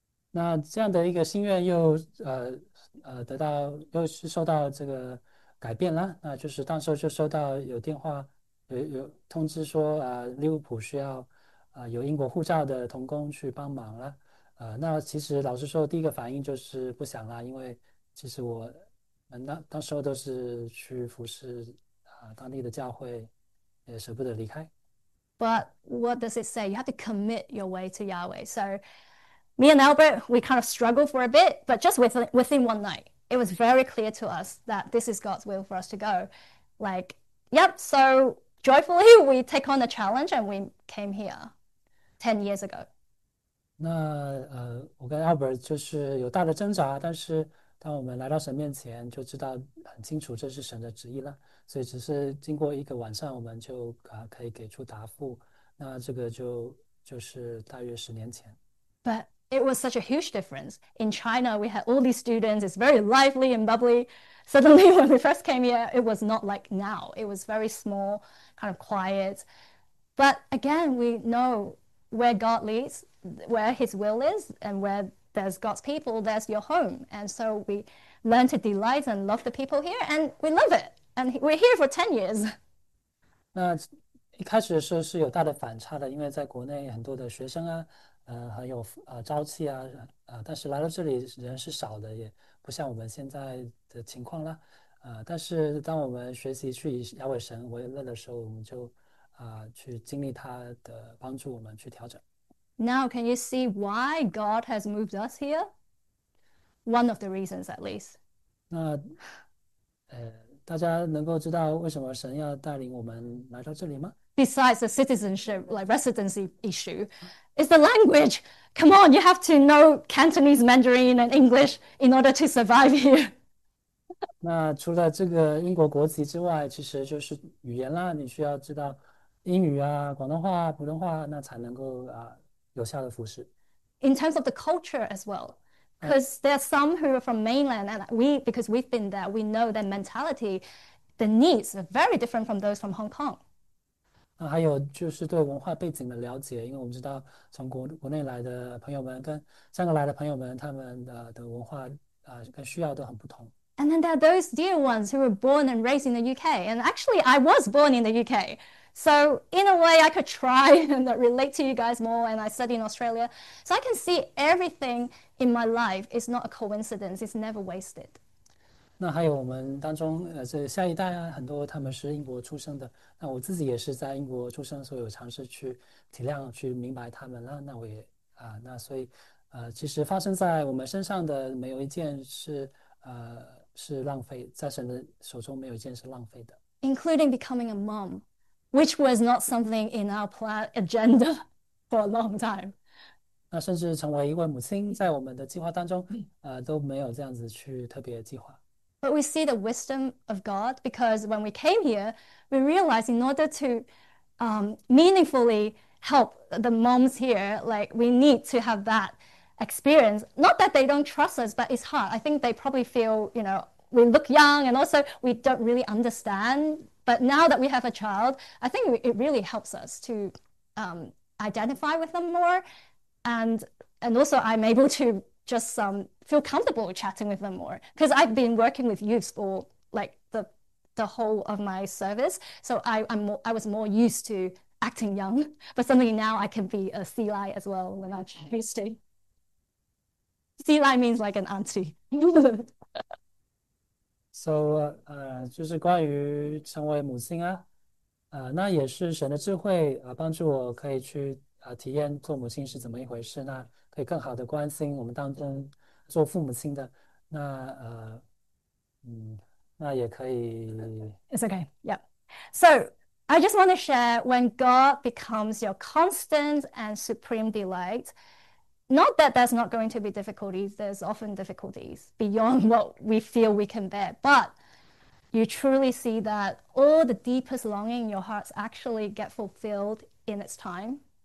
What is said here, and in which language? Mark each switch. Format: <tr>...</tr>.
<zh>那这样的一个心愿又得到又是受到这个改变了，那就是当时就收到有电话有通知说利物浦需要有英国护照的童工去帮忙了，那其实老实说第一个反应就是不想了，因为其实我当时都是去服侍当地的教会，也舍不得离开。</zh> <en>But what does it say? You have to commit your way to Yahweh. So, me and Albert, we kind of struggled for a bit, but just within one night, it was very clear to us that this is God's will for us to go. Like, yep, so joyfully, we take on the challenge and we came here 10 years ago.</en> <zh>那我跟 Albert 就是有大的挣扎，但是当我们来到神面前，就知道很清楚这是神的旨意了。所以只是经过一个晚上，我们就可以给出答复。那这个就是大约10年前。</zh> <en>But it was such a huge difference. In China, we had all these students, it's very lively and bubbly. Suddenly, when we first came here, it was not like now. It was very small, kind of quiet. But again, we know where God leads, where His will is, and where there's God's people, there's your home. And so we learn to delight and love the people here, and we love it. And we're here for 10 years.</en> <zh>那一开始的时候是有大的反差的，因为在国内很多的学生还有朝气但是来到这里人是少的，也不像我们现在的情况了，但是当我们学习去以亚伟神为乐的时候，我们就去经历他的帮助，我们去调整。</zh> <en>Now, can you see why God has moved us here? One of the reasons, at least.</en> <zh>大家能够知道为什么神要带领我们来到这里吗？</zh> <en>besides the citizenship, like residency issue, is the language. Come on, you have to know Cantonese, Mandarin, and English in order to survive here.</en> <zh>那除了这个英国国籍之外，其实就是语言啦，你需要知道英语啊、广东话、普通话，那才能够有效的服侍。</zh> <en>In terms of the culture as well, because there are some who are from mainland, and because we've been there, we know their mentality, the needs are very different from those from Hong Kong.</en> <zh>那还有就是对文化背景的了解，因为我们知道从国内来的朋友们跟香港来的朋友们，他们的文化跟需要都很不同。</zh> <en>And then there are those dear ones who were born and raised in the UK. And actually, I was born in the UK. So in a way, I could try and relate to you guys more. And I studied in Australia. So I can see everything in my life is not a coincidence. It's never wasted.</en> <zh>那还有我们当中，这下一代啊，很多他们是英国出生的。那我自己也是在英国出生，所以有尝试去体谅、去明白他们。那我也那所以，其实发生在我们身上的没有一件是浪费，在神的手中没有一件是浪费的。</zh> <en>Including becoming a mom, which was not something in our plan agenda for a long time.</en> <zh>那甚至成为一位母亲，在我们的计划当中，都没有这样子去特别计划。</zh> <en>But we see the wisdom of God because when we came here, we realized in order to meaningfully help the moms here, like we need to have that experience. Not that they don't trust us, but it's hard. I think they probably feel, you know. We look young and also we don't really understand. But now that we have a child, I think it really helps us to identify with them more. And also, I'm able to just feel comfortable chatting with them more because I've been working with youth for like the whole of my service. So I was more used to acting young. But suddenly now I can be a C-Lai as well when I choose to. C-Lai means like an auntie.</en> <zh>So，就是关于成为母亲啊，那也是神的智慧帮助我可以去体验做母亲是怎么一回事，那可以更好的关心我们当中做父母亲的那也可以。</zh> <en>It's okay. Yep. So I just want to share when God becomes your constant and supreme delight, not that there's not going to be difficulties, there's often difficulties beyond what we feel we can bear, but you truly see that all the deepest longing in your hearts actually get fulfilled in its time.</en>